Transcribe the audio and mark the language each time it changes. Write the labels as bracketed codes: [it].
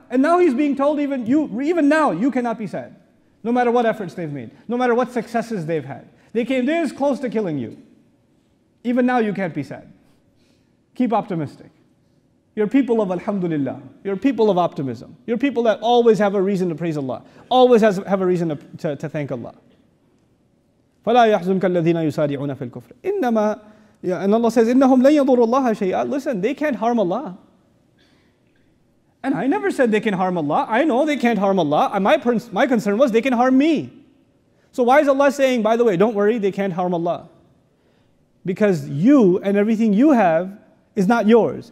[en] And now he's being told, even now, you cannot be sad. No matter what efforts they've made, no matter what successes they've had. They came this close to killing you. Even now you can't be sad. Keep optimistic. You're people of alhamdulillah. You're people of optimism. You're people that always have a reason to praise Allah. Always have a reason to thank Allah. [ar] فَلَا يَحْزُنْكَ الَّذِينَ يُسَارِعُونَ فِي الْكُفْرِ إِنَّمَا [en] yeah, and Allah says, [ar] إِنَّهُمْ لَنْ يَضُرُوا اللَّهَ شَيْئًا. [en] Listen, they can't harm Allah. And I never said they can harm Allah. I know they can't harm Allah. My concern was they can harm me. So why is Allah saying, by the way, don't worry, they can't harm Allah? Because you and everything you have is not yours.